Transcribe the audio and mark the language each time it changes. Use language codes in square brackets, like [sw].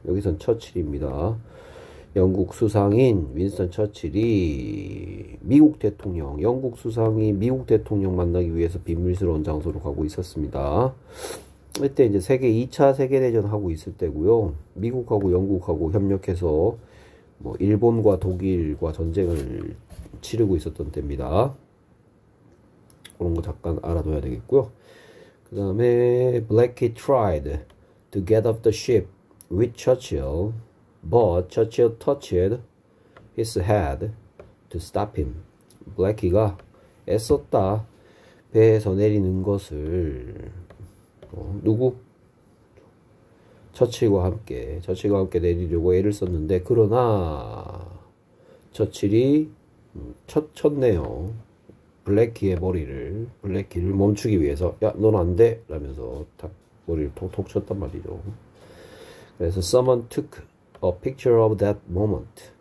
[ko] 여기선 처칠입니다. 영국 수상인 윈스턴 처칠이 미국 대통령, 영국 수상이 미국 대통령 만나기 위해서 비밀스러운 장소로 가고 있었습니다. 이때 이제 세계 2차 세계대전 하고 있을 때고요. 미국하고 영국하고 협력해서 뭐 일본과 독일과 전쟁을 치르고 있었던 때입니다. 그런 거 잠깐 알아둬야 되겠고요. 그 다음에 [en] Blackie tried to get off the ship with Churchill. But Churchill touched his head to stop him. [ko] Blackie가 애썼다. 배에서 내리는 것을. 누구? 처칠과 함께 내리려고 애를 썼는데, 그러나, 처칠이 쳤네요. 블래키의 머리를, 블래키를 멈추기 위해서, 야, 넌안 돼! 라면서 탁, 머리를 톡톡 쳤단 말이죠. 그래서 [en] someone took A picture of that moment.